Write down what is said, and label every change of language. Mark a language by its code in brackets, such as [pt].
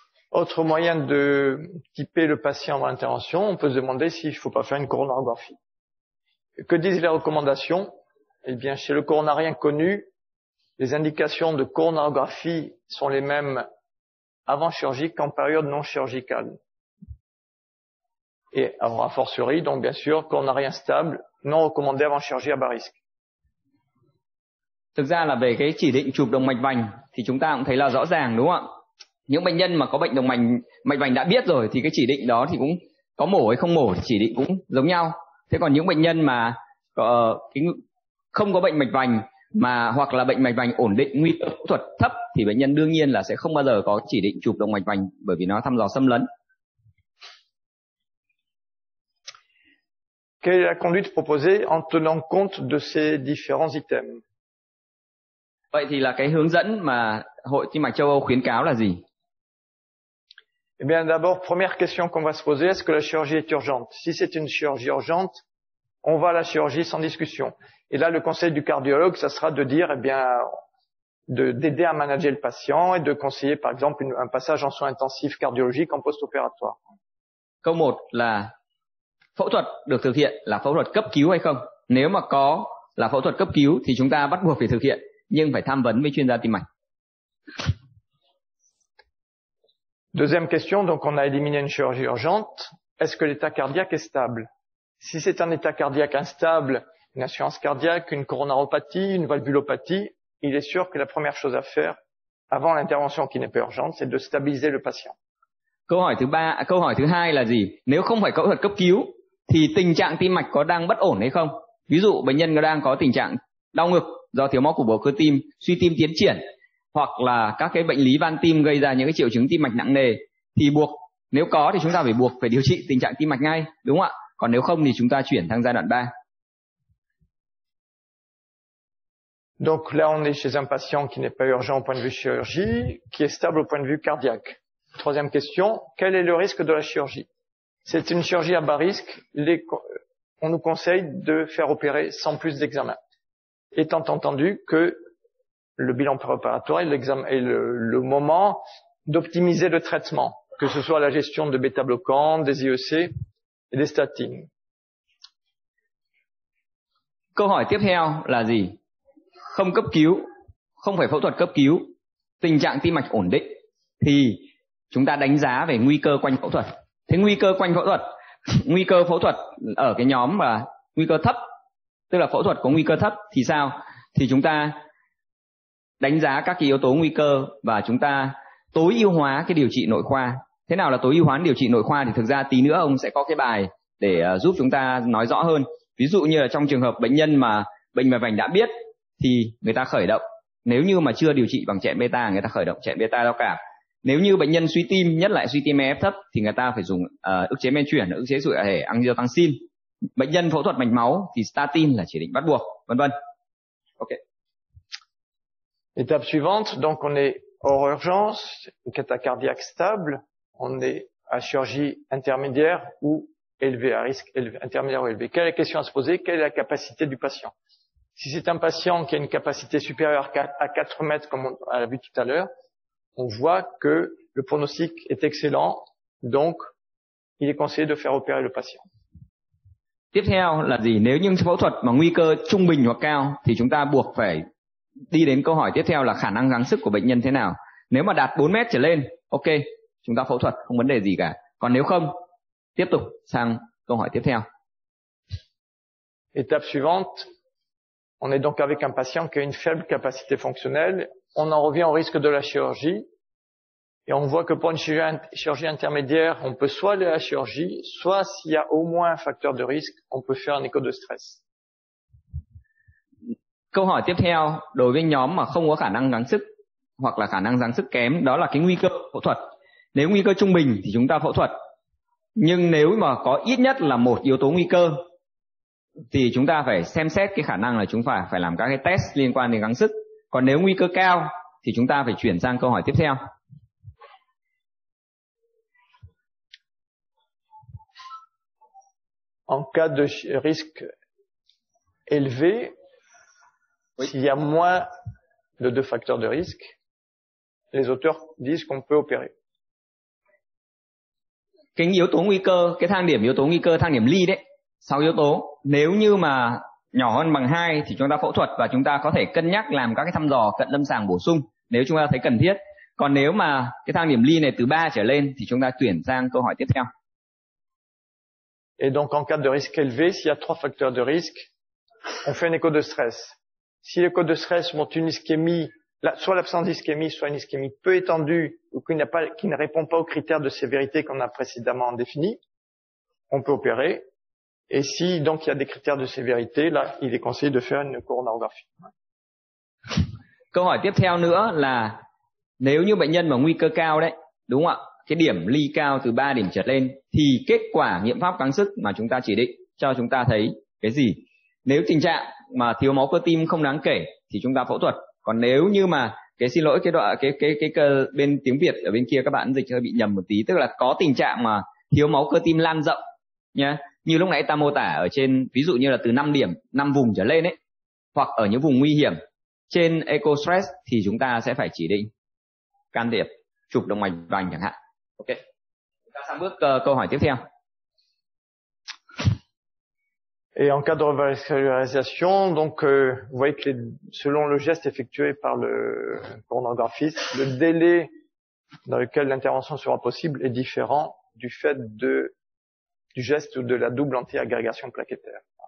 [fr] Autre moyen de typer le patient en intervention, on peut se demander s'il faut pas faire une coronarographie. Que disent les recommandations? Eh bien, chez le coronarien connu, les indications de coronarographie sont les mêmes avant chirurgie qu'en période non chirurgicale. Et alors, a fortiori, donc bien sûr, coronarien stable, non recommandé avant chirurgie à bas risque. [vi] Thực ra là về cái chỉ định chụp động mạch vành thì chúng ta cũng thấy là rõ ràng đúng không ạ? Những bệnh nhân mà có bệnh động mạch mạch vành đã biết rồi thì cái chỉ định đó thì cũng có mổ hay không mổ thì chỉ định cũng giống nhau. Thế còn những bệnh nhân mà không có bệnh mạch vành mà hoặc là bệnh mạch vành ổn định, nguy cơ phẫu thuật thấp thì bệnh nhân đương nhiên là sẽ không bao giờ có chỉ định chụp động mạch vành bởi vì nó thăm dò xâm lấn. [fr] Quelle est la conduite proposée en tenant compte de ces différents items? [vi] Vậy thì là cái hướng dẫn mà Hội Tim mạch châu Âu khuyến cáo là gì? [fr] Eh bien d'abord, première question qu'on va se poser, est-ce que la chirurgie est urgente? Si c'est une chirurgie urgente, on va à la chirurgie sans discussion. Et là, le conseil du cardiologue, ça sera de dire, eh bien, d'aider à manager le patient et de conseiller, par exemple, un passage en soins intensifs cardiologiques en post-opératoire. [vi] Câu 1 là phẫu thuật được thực hiện là phẫu thuật cấp cứu hay không? Nếu mà có là phẫu thuật cấp cứu thì chúng ta bắt buộc phải thực hiện, nhưng phải tham vấn với chuyên gia tim mạch. [fr] Deuxième question, donc on a éliminé une chirurgie urgente. Est-ce que l'état cardiaque est stable? Si c'est un état cardiaque instable, une insuffisance cardiaque, une coronaropathie, une valvulopathie, il est sûr que la première chose à faire avant l'intervention qui n'est pas urgente, c'est de stabiliser le patient. [vi] Câu hỏi thứ hai là gì? Nếu không phải phẫu thuật cấp cứu thì tình trạng tim mạch có đang bất ổn hay không? Ví dụ bệnh nhân đang có tình trạng đau ngực do thiếu máu cục bộ cơ tim, suy tim tiến triển hoặc là các cái bệnh lý van tim gây ra những cái triệu chứng tim mạch nặng nề thì buộc nếu có thì chúng ta phải điều trị tình trạng tim mạch ngay, đúng không ạ? Còn nếu không thì chúng ta chuyển sang giai đoạn 3. [fr] Donc là on est chez un patient qui n'est pas urgent au point de vue chirurgie, qui est stable au point de vue cardiaque. Troisième question, quel est le risque de la chirurgie? C'est une chirurgie à bas risque, on nous conseille de faire opérer sans plus d'examen. Étant entendu que le bilan préopératoire est l'examen est le moment d'optimiser le traitement, que ce soit la gestion de bêta-bloquants, des IEC et des statines. [vi] Câu hỏi tiếp theo là gì? Không cấp cứu, không phải phẫu thuật cấp cứu, tình trạng tim mạch ổn định thì chúng ta đánh giá về nguy cơ quanh phẫu thuật. Thế nguy cơ quanh phẫu thuật, nguy cơ phẫu thuật ở cái nhóm mà nguy cơ thấp, tức là phẫu thuật có nguy cơ thấp thì sao? Thì chúng ta đánh giá các cái yếu tố nguy cơ và chúng ta tối ưu hóa cái điều trị nội khoa. Thế nào là tối ưu hóa điều trị nội khoa thì thực ra tí nữa ông sẽ có cái bài để giúp chúng ta nói rõ hơn. Ví dụ như là trong trường hợp bệnh nhân mà bệnh mạch vành đã biết thì người ta khởi động. Nếu như mà chưa điều trị bằng chạy beta, người ta khởi động chạy beta đau cảm. Nếu như bệnh nhân suy tim, nhất là suy tim EF thấp thì người ta phải dùng ức chế men chuyển, ức chế sụn hệ angiotensin. Bệnh nhân phẫu thuật mạch máu thì statin là chỉ định bắt buộc, vân vân. Ok. [fr] Étape suivante, donc on est hors urgence, une catacardiaque stable, on est à chirurgie intermédiaire ou élevée à risque, élevé, intermédiaire ou élevée. Quelle est la question à se poser? Quelle est la capacité du patient? Si c'est un patient qui a une capacité supérieure à 4 mètres, comme on l'a vu tout à l'heure, on voit que le pronostic est excellent, donc il est conseillé de faire opérer le patient. [vi] Tiếp theo là gì? Nếu những phẫu thuật mà nguy cơ trung bình hoặc cao, thì chúng ta buộc phải đi đến câu hỏi tiếp theo là khả năng gắng sức của bệnh nhân thế nào? Nếu mà đạt 4 mét trở lên, ok, chúng ta phẫu thuật, không vấn đề gì cả. Còn nếu không, tiếp tục sang câu hỏi tiếp theo. [fr] Étape suivante, on est donc avec un patient qui a une faible capacité fonctionnelle. On en revient au risque de la chirurgie. Et on voit que pour une chirurgie intermédiaire, on peut soit aller à la chirurgie, soit s'il y a au moins un facteur de risque, on peut faire un écho de stress. [vi] Câu hỏi tiếp theo, đối với nhóm mà không có khả năng gắng sức hoặc là khả năng gắng sức kém, đó là cái nguy cơ phẫu thuật. Nếu nguy cơ trung bình thì chúng ta phẫu thuật. Nhưng nếu mà có ít nhất là một yếu tố nguy cơ, thì chúng ta phải xem xét cái khả năng là chúng ta phải làm các cái test liên quan đến gắng sức. Còn nếu nguy cơ cao thì chúng ta phải chuyển sang câu hỏi tiếp theo. [fr] En cas de risque élevé, oui, s'il y a moins de deux facteurs de risque, les auteurs disent qu'on peut opérer. [vi] Cái yếu tố nguy cơ, cái thang điểm yếu tố nguy cơ, thang điểm Lee đấy, 6 yếu tố. Nếu như mà nhỏ hơn bằng 2 thì chúng ta phẫu thuật và chúng ta có thể cân nhắc làm các cái thăm dò cận lâm sàng bổ sung nếu chúng ta thấy cần thiết. Còn nếu mà cái thang điểm Lee này từ 3 trở lên thì chúng ta chuyển sang câu hỏi tiếp theo. [fr] Et donc en cas de risque élevé, s'il y a 3 facteurs de risque, on fait un écho de stress. Si l'écho de stress montre une ischémie, soit l'absence d'ischémie, soit une ischémie peu étendue ou qui ne répond pas aux critères de sévérité qu'on a précédemment définis, on peut opérer. Et si donc il y a des critères de sévérité, là il est conseillé de faire une coronarographie. [vi] Câu hỏi tiếp theo nữa là nếu như bệnh nhân mà nguy cơ cao đấy, đúng không ạ? Cái điểm Lee cao từ 3 điểm trở lên thì kết quả nghiệm pháp gắng sức mà chúng ta chỉ định cho chúng ta thấy cái gì? Nếu tình trạng mà thiếu máu cơ tim không đáng kể thì chúng ta phẫu thuật. Còn nếu như mà cái xin lỗi cái đoạn cái bên tiếng Việt ở bên kia các bạn dịch hơi bị nhầm một tí, tức là có tình trạng mà thiếu máu cơ tim lan rộng nhá. Như lúc nãy ta mô tả ở trên, ví dụ như là từ 5 điểm, 5 vùng trở lên ấy, hoặc ở những vùng nguy hiểm trên echo stress thì chúng ta sẽ phải chỉ định can thiệp chụp động mạch vành chẳng hạn. Ok. Chúng ta sang bước câu hỏi tiếp theo. [fr] Et en cas de revascularisation, donc vous voyez que selon le geste effectué par le coronographiste, le délai dans lequel l'intervention sera possible est différent du fait du geste ou de la double anti-agrégation plaquettaire.